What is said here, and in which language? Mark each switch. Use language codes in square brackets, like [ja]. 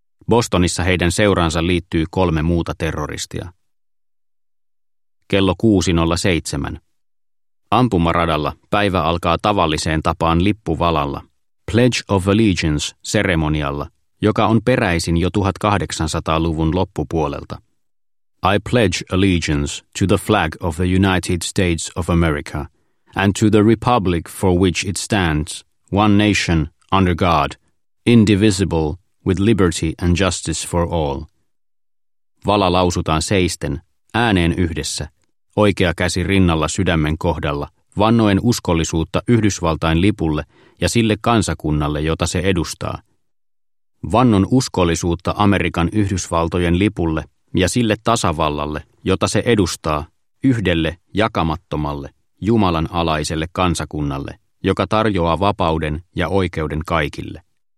[fi] Bostonissa heidän seuraansa liittyy 3 muuta terroristia. Kello 6.07. Ampumaradalla päivä alkaa tavalliseen tapaan lippuvalalla, Pledge of Allegiance-seremonialla, joka on peräisin jo 1800-luvun loppupuolelta. [en] I pledge allegiance to the flag of the United States of America and to the republic for which it stands, one nation, under God, indivisible, with liberty and justice for all. [fi] Vala lausutaan seisten, ääneen yhdessä, oikea käsi rinnalla sydämen kohdalla, vannoen uskollisuutta Yhdysvaltain lipulle ja sille kansakunnalle, jota se edustaa. Vannon uskollisuutta Amerikan Yhdysvaltojen lipulle ja sille tasavallalle, jota se edustaa, yhdelle, jakamattomalle, Jumalan alaiselle kansakunnalle, joka tarjoaa vapauden ja oikeuden kaikille.